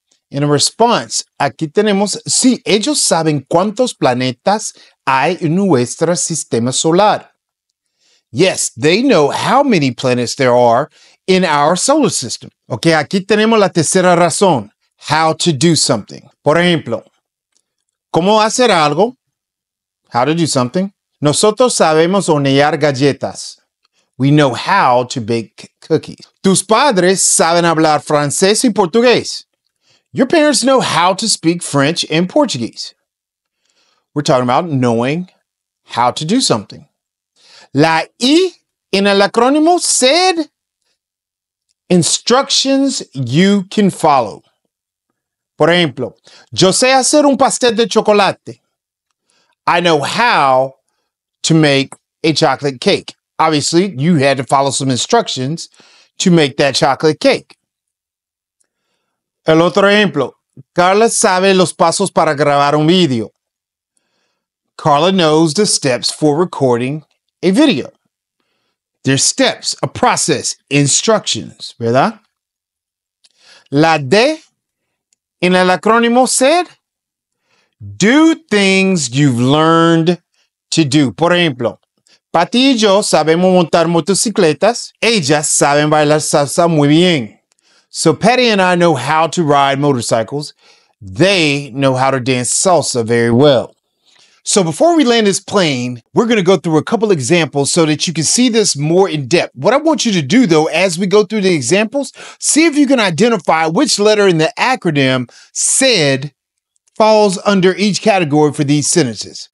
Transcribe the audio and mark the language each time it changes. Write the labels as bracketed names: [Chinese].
[English] In a response, [Spanish] aquí tenemos, sí, ellos saben cuántos planetas hay en nuestro sistema solar. [English] Yes, they know how many planets there are in our solar system. [Spanish] Okay, aquí tenemos la tercera razón, [English] how to do something. [Spanish] Por ejemplo, ¿cómo hacer algo? [English] How to do something. [Spanish] Nosotros sabemos hornear galletas. [English] We know how to bake cookies. [Spanish] Tus padres saben hablar francés y portugués. [English] Your parents know how to speak French and Portuguese. We're talking about knowing how to do something. [Spanish] La I en el acrónimo [English] SAID Instructions you can follow. [Spanish] Por ejemplo, yo sé hacer un pastel de chocolate. [English] I know how to make a chocolate cake. Obviously, you had to follow some instructions to make that chocolate cake. [Spanish] El otro ejemplo, Carla sabe los pasos para grabar un video. [English] Carla knows the steps for recording a video. There's steps, a process, instructions, ¿verdad? [Spanish] La D en el acrónimo said, [English] do things you've learned to do. [Spanish] Por ejemplo, Pati y yo sabemos montar motocicletas. Ellas saben bailar salsa muy bien. [English] So Patty and I know how to ride motorcycles. They know how to dance salsa very well. So before we land this plane, we're going to go through a couple examples so that you can see this more in depth. What I want you to do, though, as we go through the examples, see if you can identify which letter in the acronym said falls under each category for these sentences.